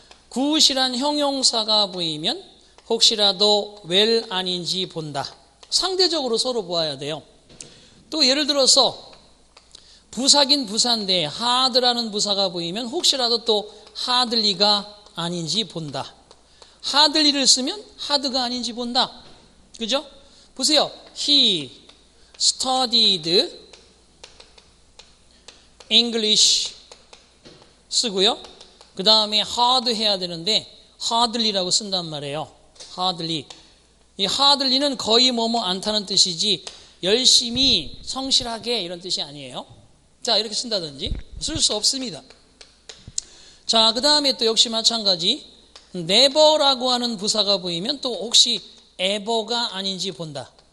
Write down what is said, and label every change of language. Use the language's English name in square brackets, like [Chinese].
[Korean] 굿이란 형용사가 보이면 혹시라도 well 아닌지 본다. 상대적으로 서로 보아야 돼요. 또 예를 들어서 부사긴 부사인데 hard라는 부사가 보이면 혹시라도 또 hardly가 아닌지 본다. hardly를 쓰면 hard가 아닌지 본다. 그죠? 보세요. [English] He studied English [Korean] 쓰고요. 그 다음에 hard 해야 되는데 hardly라고 쓴단 말이에요. hardly. 이 hardly는 거의 뭐뭐 않다는 뜻이지 열심히 성실하게 이런 뜻이 아니에요. 자, 이렇게 쓴다든지 쓸 수 없습니다. 자, 그 다음에 또 역시 마찬가지 never라고 하는 부사가 보이면 또 혹시 ever가 아닌지 본다.